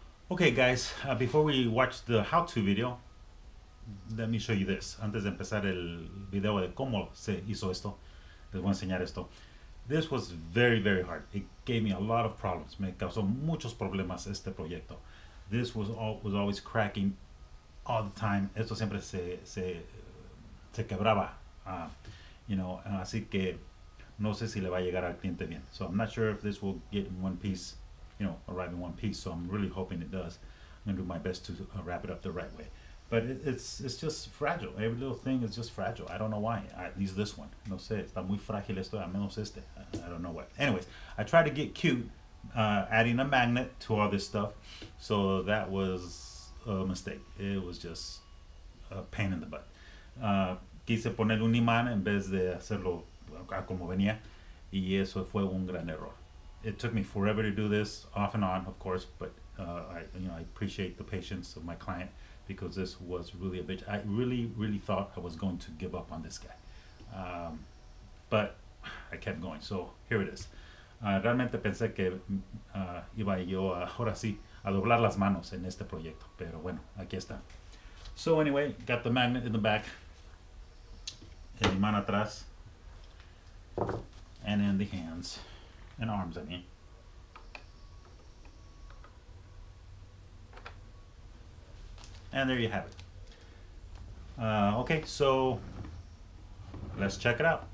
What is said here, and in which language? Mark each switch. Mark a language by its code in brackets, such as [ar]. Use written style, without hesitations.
[en] Okay, guys, before we watch the how-to video, let me show you this. [es] Antes de empezar el video de cómo se hizo esto, les voy a enseñar esto. [en] This was very, very hard. It gave me a lot of problems. [es] Me causó muchos problemas este proyecto. [en] This was always cracking all the time. [es] Esto siempre se quebraba. Así que no sé si le va a llegar al cliente bien. [en] So I'm not sure if this will get in one piece. Arrive in one piece, so I'm really hoping it does. I'm gonna do my best to wrap it up the right way, but it's just fragile. Every little thing is just fragile. I don't know why. At least this one, [es] no sé, está muy frágil esto, al menos este. [en] I don't know what. Anyways, I tried to get cute adding a magnet to all this stuff, so that was a mistake. It was just a pain in the butt. [es] Quise poner un imán en vez de hacerlo como venía, y eso fue un gran error. [en] It took me forever to do this, off and on, of course, but I appreciate the patience of my client, because this was really a bitch. I really, really thought I was going to give up on this guy. But I kept going, so here it is. [es] Realmente pensé que iba yo ahora sí a doblar las manos en este proyecto, pero bueno, aquí está. [en] So anyway, got the magnet in the back, [es] el imán atrás, [en] and in the hands. And arms, I mean. And there you have it. Okay, so let's check it out.